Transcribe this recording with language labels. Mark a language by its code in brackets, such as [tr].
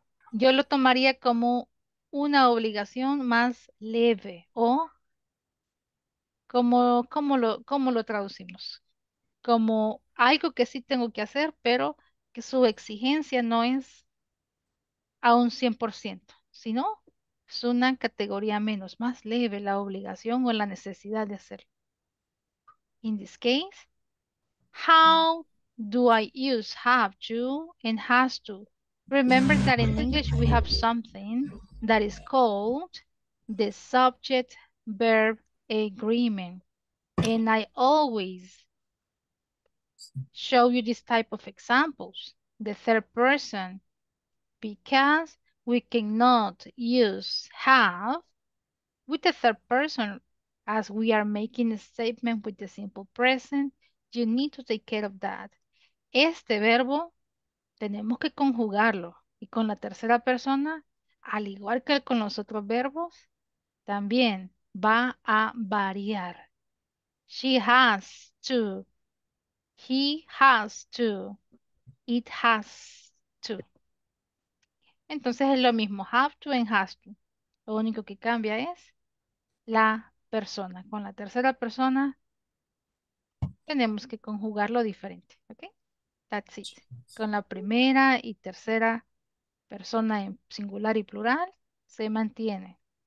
[es] Yo lo tomaría como una obligación más leve o como, ¿cómo lo traducimos? Como algo que sí tengo que hacer, pero que su exigencia no es a un 100%, sino es una categoría menos, más leve la obligación o la necesidad de hacerlo. [en] In this case, how do I use have to and has to? Remember that in English we have something that is called the subject verb agreement. And I always show you this type of examples, the third person, because we cannot use have with the third person as we are making a statement with the simple present. You need to take care of that. [es] Este verbo tenemos que conjugarlo. Y con la tercera persona, al igual que con los otros verbos, también va a variar. [en] She has to. He has to. It has to. [es] Entonces es lo mismo, have to and has to. Lo único que cambia es la persona. Con la tercera persona tenemos que conjugarlo diferente, ¿ok? [en] That's it. [es] Con la primera y tercera persona en singular y plural se mantiene.